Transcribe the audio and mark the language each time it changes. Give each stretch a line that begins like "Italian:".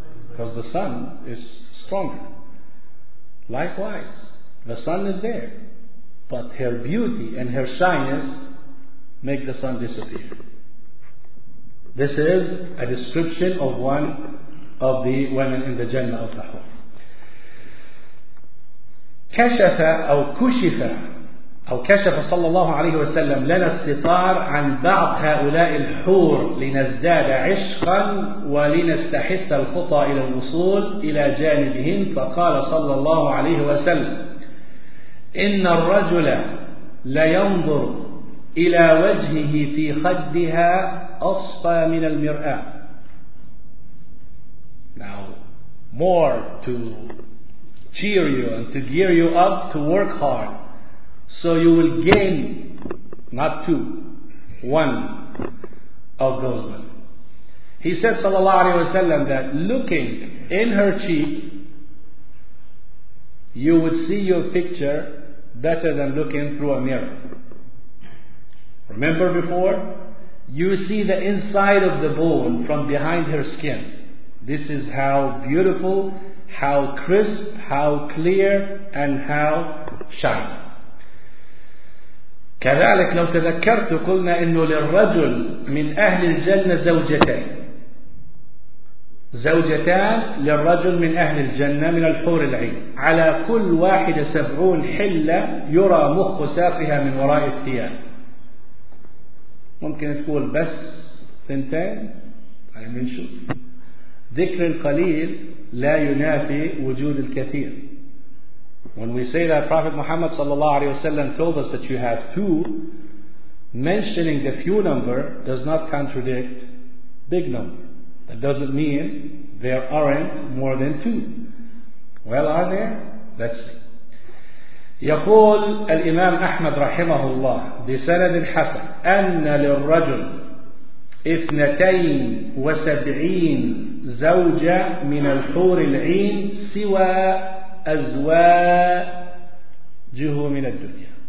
English: Because the sun is stronger. Likewise, the sun is there. But her beauty and her shyness make the sun disappear. This is a description of one of the women in the Jannah of Nahum.
Arabic: كَشَفَ أَوْ كُشِفَ أو كشف صلى الله عليه وسلم لنا الستار عن بعض هؤلاء الحور لنزداد عشقا ولنستحث الخطى إلى الوصول إلى جانبهم فقال صلى الله عليه وسلم إن الرجل لينظر إلى وجهه في خدها أصفى من المرآة.
English: Now more to cheer you and to gear you up to work hard, so you will gain, not two, one of those women. He said, sallallahu alayhi wa sallam, that looking in her cheek, you would see your picture better than looking through a mirror. Remember before? You see the inside of the bone from behind her skin. This is how beautiful, how crisp, how clear, and how shiny.
Arabic: كذلك لو تذكرت قلنا إنه للرجل من أهل الجنة زوجتين زوجتان للرجل من أهل الجنة من الحور العين، على كل واحدة 70 حلة يرى مخ سافها من وراء الثياب. ممكن تقول بس ثنتين، يعني بنشوف ذكر القليل لا ينافي وجود الكثير.
English: When we say that Prophet Muhammad sallallahu alaihi wasallam told us that you have two, mentioning the few number does not contradict big number. That doesn't mean there aren't more than two. Well, are there? Let's see.
Arabic: يقول الإمام أحمد رحمه الله بسند حسن أن للرجل 72 زوجة من الحور العين سوى أزواجه من الدنيا.